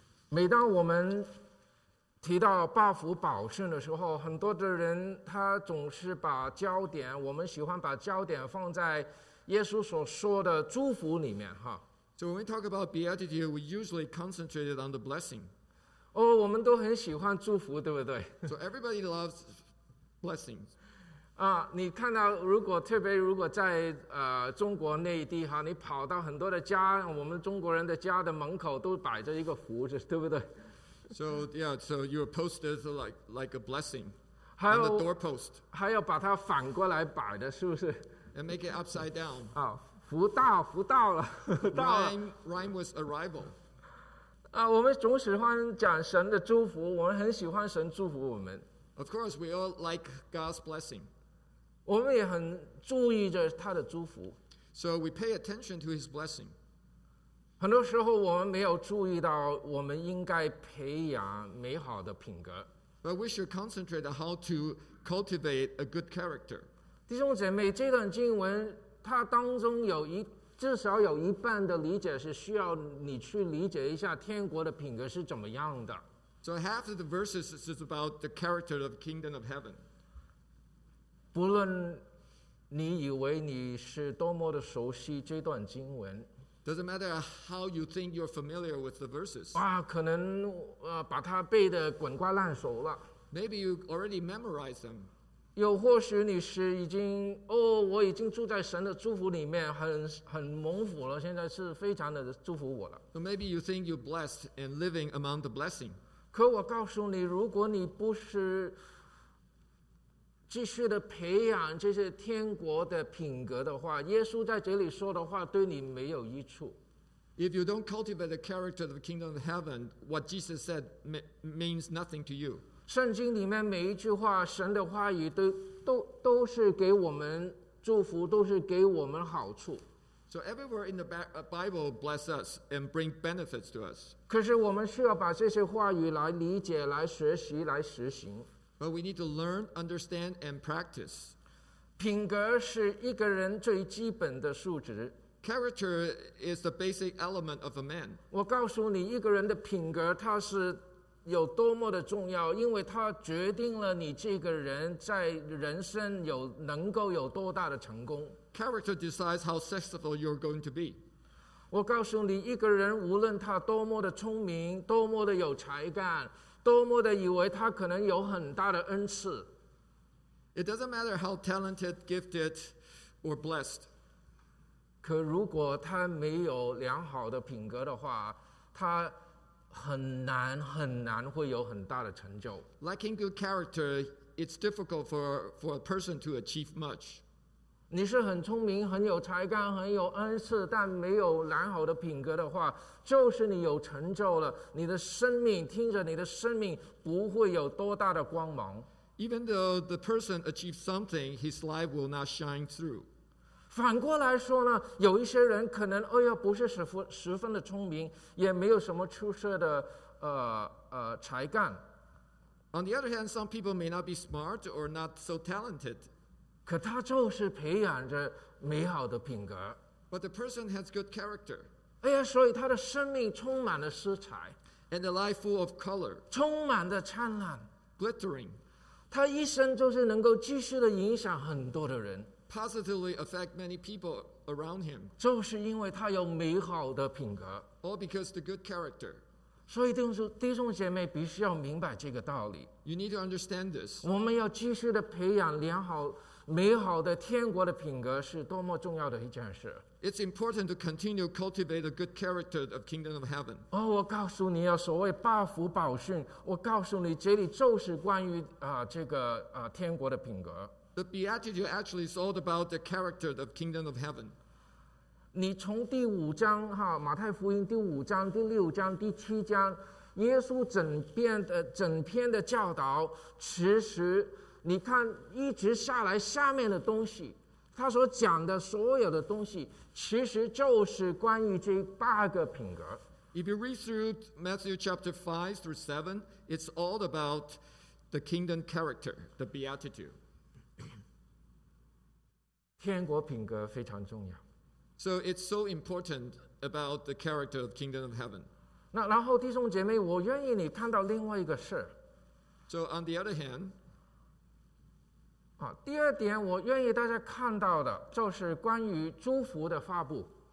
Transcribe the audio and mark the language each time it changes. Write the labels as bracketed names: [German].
[Chinese] 每当我们提到八福宝训的时候，很多的人他总是把焦点，我们喜欢把焦点放在耶稣所说的祝福里面哈。 [English] So when we talk about beatitude, we usually concentrate on the blessing. [Chinese] 哦，我们都很喜欢祝福，对不对 [English] ？So everybody loves blessings. [Chinese] 啊，你看到如果特别如果在中国内地哈，你跑到很多的家，我们中国人的家的门口都摆着一个福，对不对？ [English] So yeah, so your post is like a blessing on the doorpost. [Chinese] 还要把它反过来摆的，是不是 [English] ？And make it upside down. [Chinese] 啊，福到福到了，到了。 [English] Rhyme with arrival. [Chinese] 啊，我们总喜欢讲神的祝福，我们很喜欢神祝福我们。 [English] Of course, we all like God's blessing. [Chinese] 我们也很注意着他的祝福。 [English] So we pay attention to His blessing. [Chinese] 很多时候我们没有注意到我们应该培养美好的品格。 [English] But we should concentrate on how to cultivate a good character. [Chinese] 弟兄姐妹，这段经文它当中有一至少有一半的理解是需要你去理解一下天国的品格是怎么样的。 [English] So half of the verses is about the character of the kingdom of heaven. [Chinese] 不论你以为你是多么的熟悉这段经文， [English] Doesn't matter how you think you're familiar with the verses. [Chinese] 哇，可能把它背得滚瓜烂熟了。 [English] Maybe you already memorized them. [Chinese] 又或许你是已经哦，我已经住在神的祝福里面，很蒙福了，现在是非常的祝福我了。 [English] So maybe you think you're blessed and living among the blessing. [Chinese] 可我告诉你，如果你不是继续的培养这些天国的品格的话，耶稣在这里说的话对你没有益处。 [English] If you don't cultivate the character of the kingdom of heaven, what Jesus said means nothing to you. [Chinese] 圣经里面每一句话，神的话语都是给我们祝福，都是给我们好处。 [English] So everywhere in the Bible bless us and bring benefits to us. [Chinese] 可是我们需要把这些话语来理解、来学习、来实行。 [English] But we need to learn, understand, and practice. [Chinese] 品格是一个人最基本的素质。 [English] Character is the basic element of a man. [Chinese] 我告诉你，一个人的品格它是有多么的重要，因为它决定了你这个人在人生有能够有多大的成功。 [English] Character decides how successful you're going to be. [Chinese] 我告诉你，一个人无论他多么的聪明，多么的有才干，多么的以为他可能有很大的恩赐。 [English] It doesn't matter how talented, gifted, or blessed. [Chinese] 可如果他没有良好的品格的话，他很难很难会有很大的成就。 [English] Lacking good character, it's difficult for a person to achieve much. [Chinese] 你是很聪明、很有才干、很有恩赐，但没有良好的品格的话。就是你有成就了，你的生命听着，你的生命不会有多大的光芒。 [English] Even though the person achieves something, his life will not shine through. [Chinese] 反过来说呢，有一些人可能，哎呀，不是十分的聪明，也没有什么出色的才干。 [English] On the other hand, some people may not be smart or not so talented. [Chinese] 可他就是培养着美好的品格。 [English] But the person has good character. [Chinese] 哎呀，所以他的生命充满了色彩 [English] ，and a life full of color， [Chinese] 充满的灿烂 [English] ，glittering。 [Chinese] 他一生就是能够继续的影响很多的人 [English] ，positively affect many people around him。 [Chinese] 就是因为他有美好的品格 [English] ，all because the good character。 [Chinese] 所以弟兄姐妹必须要明白这个道理 [English] ，you need to understand this。 [Chinese] 我们要继续的培养良好、美好的天国的品格，是多么重要的一件事。 [English] It's important to continue cultivate a good character of kingdom of heaven. [Chinese] 哦，我告诉你啊，所谓八福宝训，我告诉你，这里就是关于这个天国的品格。 [English] The beatitude actually is all about the character of kingdom of heaven. [Chinese] 你从第五章哈，马太福音第五章、第六章、第七章，耶稣整篇的教导，其实你看一直下来下面的东西。他所讲的所有的东西其实就是关于这八个品格。 [English] If you read through Matthew chapter 5 through 7, it's all about the kingdom character, the beatitude. [Chinese] 天国品格非常重要。 [English] So it's so important about the character of the kingdom of heaven. [Chinese] 那然后弟兄姐妹，我愿意你看到另外一个事。 [English] So on the other hand, [Chinese] 第二点我愿意大家看到的就是关于祝福的发布。